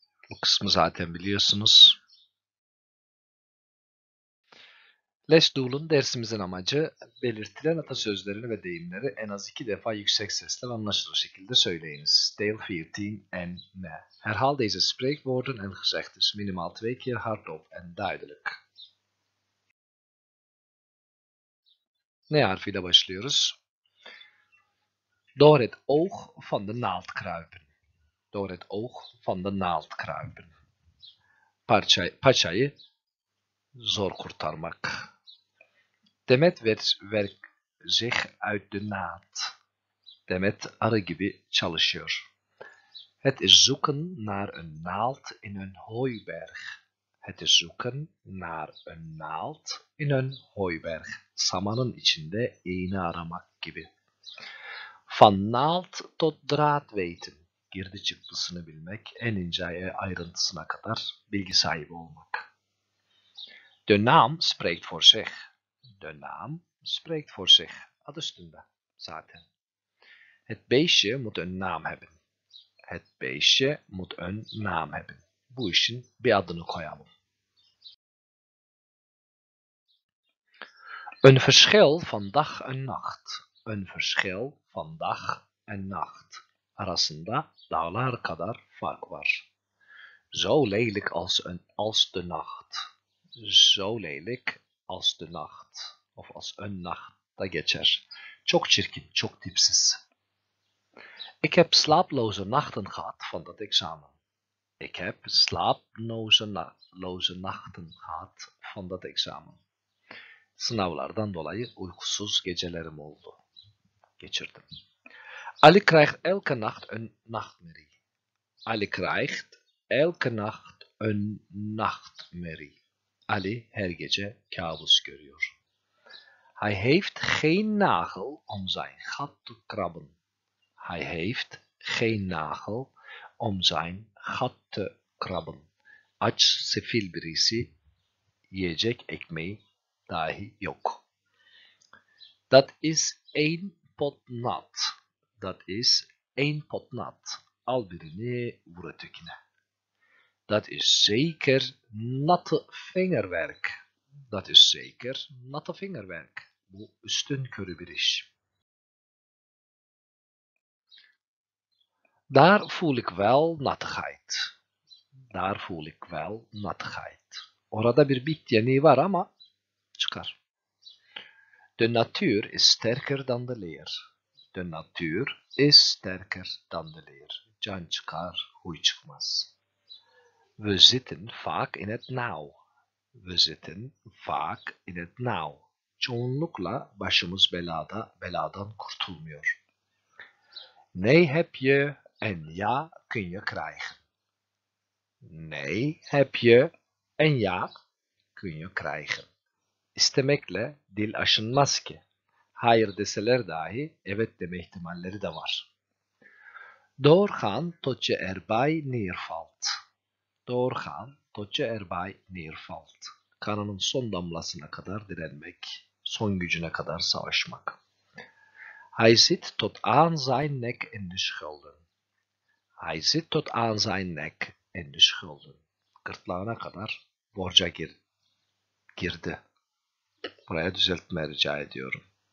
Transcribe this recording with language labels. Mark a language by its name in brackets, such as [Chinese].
[Turkish] Bu kısmı zaten biliyorsunuz. Les Doel'un dersimizin amacı belirtilen atasözlerini ve deyimleri en az iki defa yüksek sesle ve anlaşılır şekilde söyleyiniz. [Dutch] Deel 14 en ne? Herhal deze spreekwoorden en gezegdes minimaal twee keer hardop en duidelijk. [Turkish] Ne harfiyle başlıyoruz? [Dutch] Door het oog van de naald kruipen. Door het oog van de naald kruipen. [Turkish] Paçayı zor kurtarmak. [Dutch] Demet werkt zich uit de naad. [Turkish] Demet arı gibi çalışıyor. [Dutch] Het is zoeken naar een naald in een hooiberg. Het is zoeken naar een naald in een hooiberg. [Turkish] Samanın içinde iğne aramak gibi. [Dutch] Van naald tot draad weten. [Turkish] Girdi çıktısını bilmek, en ince ayrıntısına kadar bilgi sahibi olmak. [Dutch] De naam spreekt voor zich. De naam spreekt voor zich. [Turkish] Adı üstünde zaten. [Dutch] Het beestje moet een naam hebben. Het beestje moet een naam hebben. [Turkish] Bu işin bir adını koyalım. [Dutch] Een verschil van dag en nacht. Een verschil van dag en nacht. [Turkish] Arasında dağlar kadar fark var. [Dutch] Zo lelijk als de nacht. Zo lelijk als de nacht. Of als een nacht, dat [Turkish] geçer. Çok çirkin, çok tipsiz. [Dutch] Ik heb slaaploze nachten gehad van dat examen. Ik heb slaaploze nachten gehad van dat examen. [Turkish] Sınavlardan dolayı uykusuz gecelerim oldu. Geçirdim. [Dutch] Ali krijgt elke nacht een nachtmerrie. Ali krijgt elke nacht een nachtmerrie. [Turkish] Ali her gece kabus görüyor. [Dutch] Hij heeft geen nagel om zijn gat te krabben. Hij heeft geen nagel om zijn gat te krabben. [Turkish] Aç sefil birisi, yiyecek ekmeği dahi yok. [Dutch] Dat is één pot nat. Dat is één pot nat. [Turkish] Al birini vur ötekine. [Dutch] Dat is zeker natte vingerwerk. Dat is zeker natte vingerwerk. [Turkish] Bu üstün körü bir iş. [Dutch] Daar voel ik wel nattigheid. Daar voel ik wel nattigheid. [Turkish] Orada bir bitjeniği var ama çıkar. [Dutch] De natuur is sterker dan de leer. De natuur is sterker dan de leer. [Turkish] Can çıkar, huy çıkmaz. [Dutch] We zitten vaak in het nauw. We zitten vaak in het nauw. [Turkish] Çoğunlukla başımız beladan kurtulmuyor. [Dutch] Ney heb je en ya kun je krijgen. Ney heb je en ya kun je krijgen. [Turkish] İstemekle dil aşınmaz ki. Hayır deseler dahi evet deme ihtimalleri de var. [Dutch] Doorgaan tot je erbij neervalt. Doorgaan tot je erbij neervalt. [Turkish] Kanının son damlasına kadar direnmek. Son gücüne kadar savaşmak. [Dutch] Hij zit tot aan zijn nek in de schulden. Hij zit tot aan zijn nek in de schulden. [Turkish] Gırtlağına kadar borca girdi. Buraya düzeltme rica ediyorum.